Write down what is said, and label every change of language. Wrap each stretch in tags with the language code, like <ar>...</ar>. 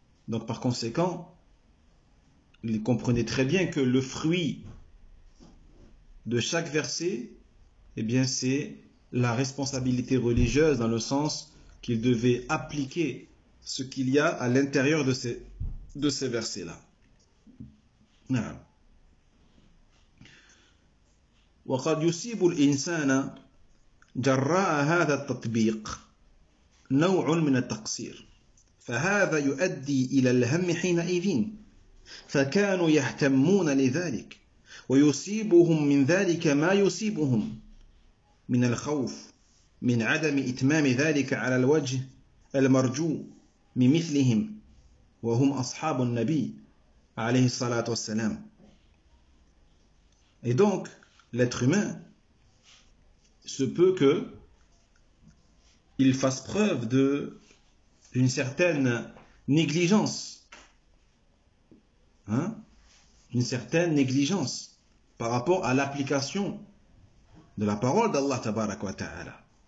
<fr>Donc par conséquent, il comprenait très bien que le fruit de chaque verset, eh bien c'est la responsabilité religieuse, dans le sens qu'il devait appliquer ce qu'il y a à l'intérieur de ces versets-là. Voilà.</fr> <ar>وقد يصيب الإنسان جراء هذا التطبيق نوع من التقصير فهذا يؤدي إلى الهم حينئذ فكانوا يهتمون لذلك ويصيبهم من ذلك ما يصيبهم من الخوف من عدم إتمام ذلك على الوجه المرجو من مثلهم وهم أصحاب النبي عليه الصلاة والسلام.</ar> <fr>Et donc, l'être humain, se peut que il fasse preuve d'une certaine négligence, hein, une certaine négligence par rapport à l'application de la parole d'Allah tabarak wa ta'ala.</fr>